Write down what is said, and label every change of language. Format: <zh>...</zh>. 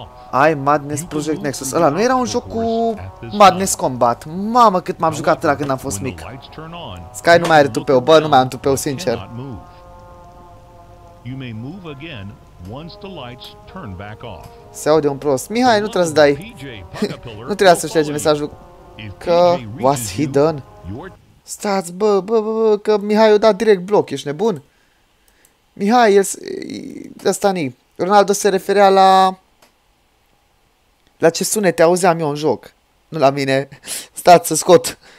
<ro>Ai Madness Project Nexus. Ăla nu era un joc cu Madness Combat? Mamă, cât m-am jucat ăla când am fost mic. Sky nu mai are tupeu. Bă, nu mai am tupeu, sincer.</ro> <en>You may move again once the lights turn back off.</en> <ro>Se aude un prost. Mihai, nu trebuie să dai. Nu trebuie să șterge mesajul. Că</ro> <en>was he done?</en> <ro>Stați, bă, că Mihai a dat direct bloc, ești nebun? Mihai, el ăsta ni. Ronaldo se referea la ce sunete auzeam eu în joc, nu la mine. Stați să scot.</ro>